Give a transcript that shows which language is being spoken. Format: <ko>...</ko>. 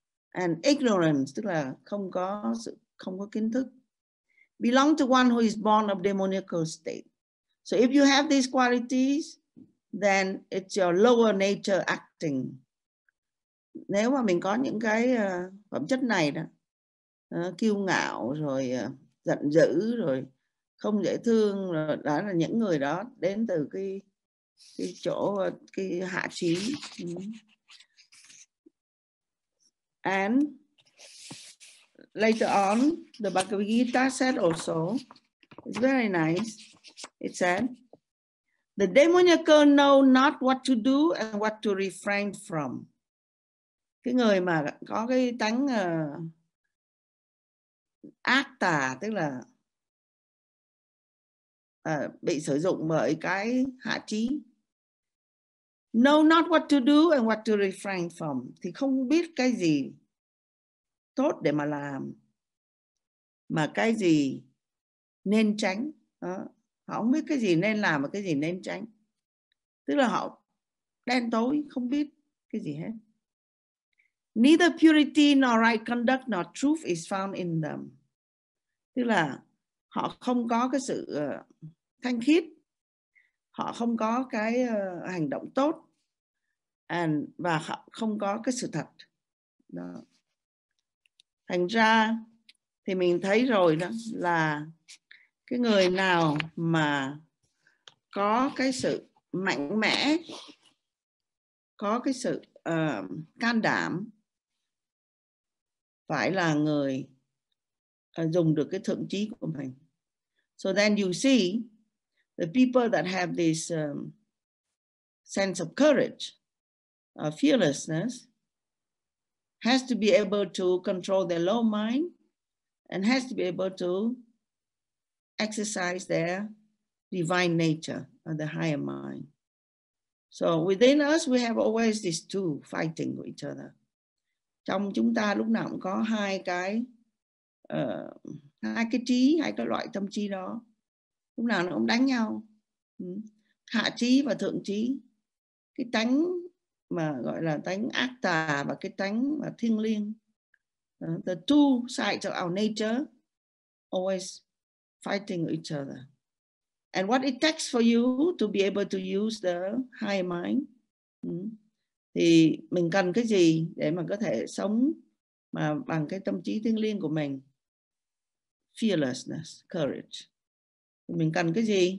<en>And ignorance,</en> <vi>tức là không có kiến thức.</vi> <en>Belong to one who is born of demoniacal state. So if you have these qualities, then it's your lower nature acting.</en> <vi>Nếu mà mình có những cái phẩm chất này đó, kiêu ngạo, rồi giận dữ, rồi không dễ thương, rồi đó là những người đó đến từ cái chỗ, cái hạ trí.</vi> <en>And later on, the Bhagavad Gita said also, it's very nice, it said, the demoniacal know not what to do and what to refrain from.</en> <vi>Cái người mà có cái tánh ác tà, tức là bị sử dụng bởi cái hạ trí.</vi> <en>Know not what to do and what to refrain from.</en> <vi>Thì không biết cái gì tốt để mà làm, mà cái gì nên tránh. Đó. Họ không biết cái gì nên làm và cái gì nên tránh. Tức là họ đen tối, không biết cái gì hết.</vi> <en>Neither purity nor right conduct nor truth is found in them.</en> <vi>Tức là họ không có cái sự thanh khiết. Họ không có cái hành động tốt. Và họ không có cái sự thật. Đó. Thành ra thì mình thấy rồi đó, là cái người nào mà có cái sự mạnh mẽ, có cái sự can đảm, phải là người dùng được cái thượng trí của mình.</vi> <en>So then you see the people that have this sense of courage, fearlessness, has to be able to control their low mind and has to be able to exercise their divine nature or the higher mind. So within us, we have always these two fighting with each other.</en> <vi>Trong chúng ta lúc nào cũng có hai cái trí, hai cái loại tâm trí đó. Lúc nào nó cũng đánh nhau. Hạ trí và thượng trí. Cái tánh mà gọi là tánh ác tà và cái tánh mà thiêng liêng.</vi> <en>The two sides of our nature always fighting each other. And what it takes for you to be able to use the higher mind?</en> <vi>Thì mình cần cái gì để mà có thể sống mà bằng cái tâm trí thiêng liêng của mình?</vi> <en>Fearlessness, courage.</en> <vi>Mình cần cái gì?</vi>